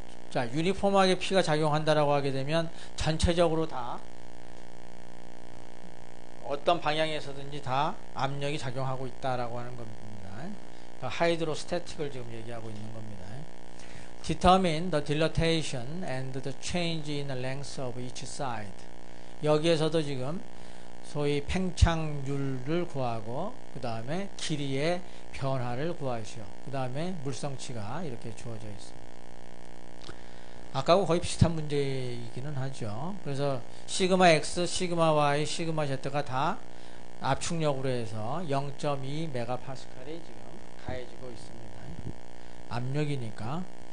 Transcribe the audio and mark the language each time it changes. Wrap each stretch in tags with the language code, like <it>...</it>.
<ko>자, 유니폼하게 P가 작용한다라고 하게 되면 전체적으로 다 어떤 방향에서든지 다 압력이 작용하고 있다라고 하는 겁니다. 하이드로스태틱을 지금 얘기하고 있는 겁니다.</ko> <en>Determine the dilatation and the change in the length of each side.</en> <ko>여기에서도 지금 소위 팽창률을 구하고 그 다음에 길이의 변화를 구하시오. 그 다음에 물성치가 이렇게 주어져 있습니다. 아까하고 거의 비슷한 문제이기는 하죠. 그래서 시그마 X, 시그마 Y, 시그마 Z가 다 압축력으로 해서 0.2 메가파스칼이 지금 가해지고 있습니다. 압력이니까.</ko>